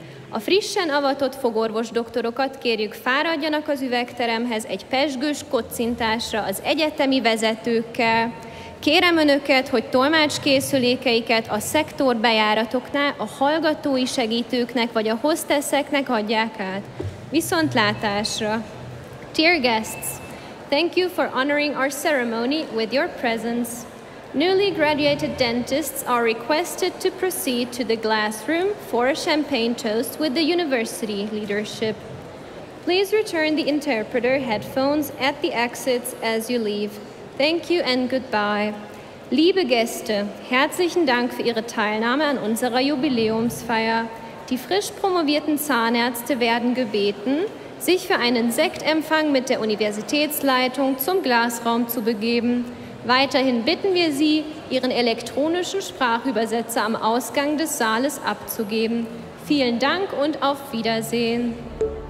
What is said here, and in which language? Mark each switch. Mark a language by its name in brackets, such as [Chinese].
[Hungarian] A frissen avatott fogorvos doktorokat kérjük fáradjanak az üvegteremhez egy pezsgős koccintásra az egyetemi vezetőkkel. Kérem önöket, hogy tolmácskészülékeiket a szektor bejáratoknál a hallgatói segítőknek vagy a hostesseknek adják át. Viszontlátásra! [English] Dear guests, thank you for honoring our ceremony with your presence. Newly graduated dentists are requested to proceed to the glass room for a champagne toast with the university leadership. Please return the interpreter headphones at the exits as you leave. Thank you and goodbye. [German] Liebe Gäste, herzlichen Dank für Ihre Teilnahme an unserer Jubiläumsfeier. Die frisch promovierten Zahnärzte werden gebeten, sich für einen Sektempfang mit der Universitätsleitung zum Glasraum zu begeben. Weiterhin bitten wir Sie, Ihren elektronischen Sprachübersetzer am Ausgang des Saales abzugeben. Vielen Dank und auf Wiedersehen.